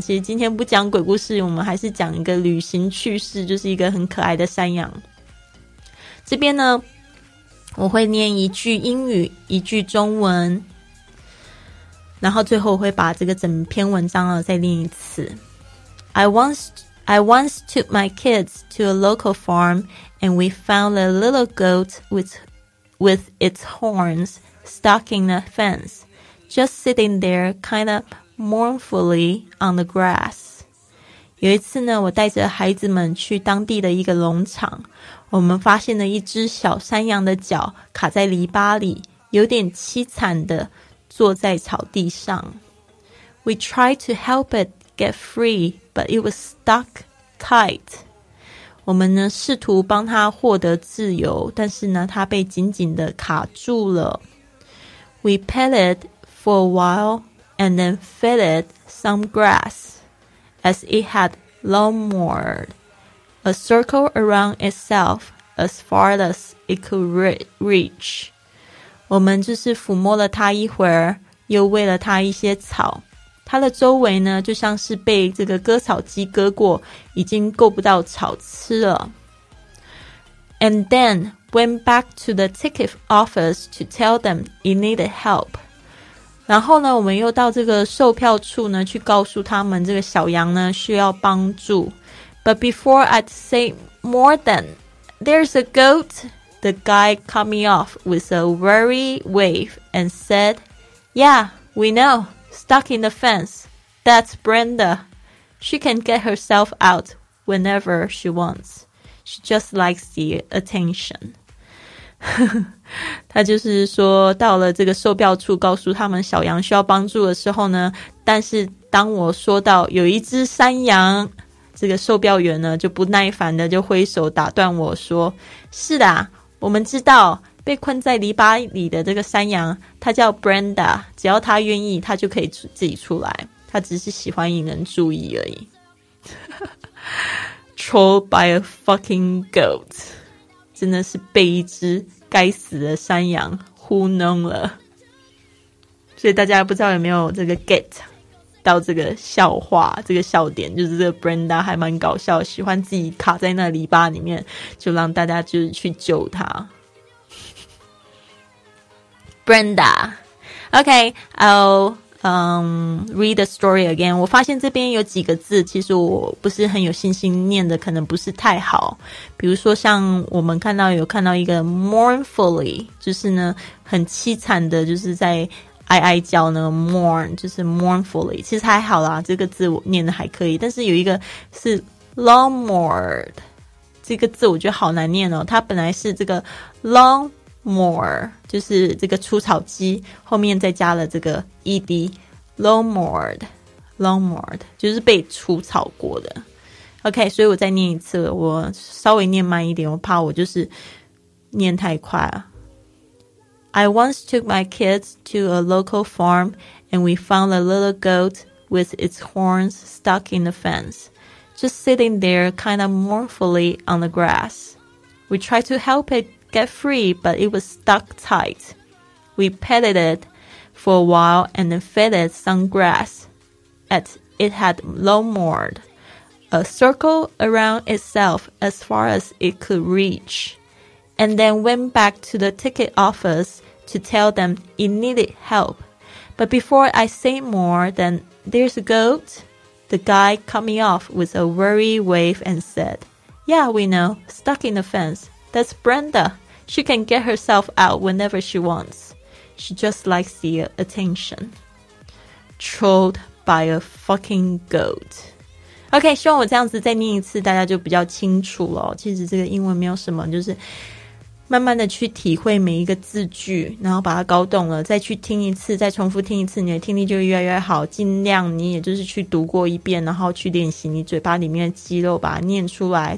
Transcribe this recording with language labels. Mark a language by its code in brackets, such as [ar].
[zh] 其实今天不讲鬼故事，我们还是讲一个旅行趣事，就是一个很可爱的山羊。这边呢，我会念一句英语，一句中文，然后最后我会把这个整篇文章再念一次。 [en] I once took my kids to a local farm, and we found a little goat with its horns stuck in the fence, just sitting there kind of mournfully on the grass. [zh] 有一次呢，我带着孩子们去当地的一个农场，我们发现了一只小山羊的脚卡在篱笆里，有点凄惨的坐在草地上。 [en] We tried to help it get free, but it was stuck tight. [zh] 我们呢试图帮它获得自由，但是呢它被紧紧的卡住了。 [en] We pet it for a while and then fed it some grass, as it had lumbered a circle around itself as far as it could reach. [zh] 我们就是抚摸了它一会儿，又喂了它一些草。它的周围呢，就像是被这个割草机割过，已经够不到草吃了。 [en] And then went back to the ticket office to tell them it needed help. [zh] 然后呢，我们又到这个售票处呢，去告诉他们这个小羊呢需要帮助。 [en] But before I'd say more than, there's a goat, the guy cut me off with a weary wave and said, Yeah, we know. Stuck in the fence. That's Brenda. She can get herself out whenever she wants. She just likes the attention. [zh] 他就是说到了这个售票处告诉他们小羊需要帮助的时候呢，但是当我说到有一只山羊，这个售票员呢就不耐烦的就挥手打断我说，是的，我们知道被困在篱笆里的这个山羊，它叫 Brenda， 只要它愿意，它就可以自己出来，它只是喜欢引人注意而已。 [en] Trolled by a fucking goat， [zh] 真的是被一只该死的山羊糊弄了。所以大家不知道有没有这个 get 到这个笑话，这个笑点，就是这个 Brenda 还蛮搞笑，喜欢自己卡在那篱笆里面，就让大家就是去救它。 Brenda. [en] Okay, I'll read the story again. [zh] 我发现这边有几个字其实我不是很有信心念的，可能不是太好。比如说像我们看到有看到一个 mournfully， 就是呢很凄惨的，就是在哀哀叫呢 mourn， 就是 mournfully， 其实还好啦，这个字我念的还可以。但是有一个是 lumbered， 这个字我觉得好难念哦，它本来是这个 lumbermore 就是这个除草机，后面再加了这个 ed lawnmowered 就是被除草过的。 OK， 所以我再念一次，我稍微念慢一点，我怕我就是念太快了。 [en] I once took my kids to a local farm and we found a little goat with its horns stuck in the fence, just sitting there kind of mournfully on the grass. We tried to help itget free, but it was stuck tight. We petted it for a while and then fed it some grass. As it had lumbered a circle around itself as far as it could reach, and then went back to the ticket office to tell them it needed help. But before I say more than there's a goat, the guy cut me off with a weary wave and said, Yeah, we know, stuck in the fence. That's Brenda. She can get herself out whenever she wants. She just likes the attention. Trolled by a fucking goat. [zh] OK, 希望我这样子再念一次大家就比较清楚了。其实这个英文没有什么，就是慢慢的去体会每一个字句，然后把它搞懂了，再去听一次，再重复听一次，你的听力就越来越好。尽量你也就是去读过一遍，然后去练习你嘴巴里面的肌肉，把它念出来。